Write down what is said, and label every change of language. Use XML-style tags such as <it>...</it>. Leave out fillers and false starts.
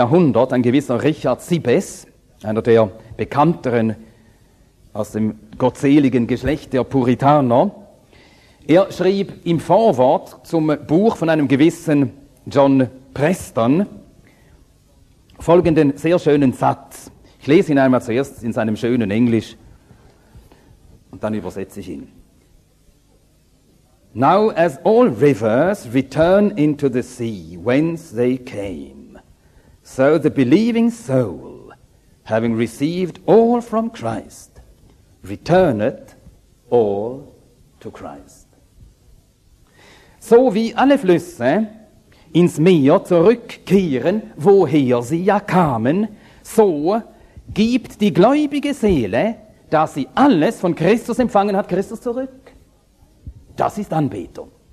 <de>Jahrhundert, ein gewisser Richard Sibbes, einer der bekannteren aus dem gottseligen Geschlecht der Puritaner, er schrieb im Vorwort zum Buch von einem gewissen John Preston folgenden sehr schönen Satz. Ich lese ihn einmal zuerst in seinem schönen Englisch und dann übersetze ich ihn.</de> <en>Now as all rivers return into the sea whence they came, so the believing soul, having received all from Christ, returneth all to Christ.</en> <de>So wie alle Flüsse ins Meer zurückkehren, woher sie ja kamen, so gibt die gläubige Seele, da sie alles von Christus empfangen hat, Christus zurück. Das ist Anbetung.</de>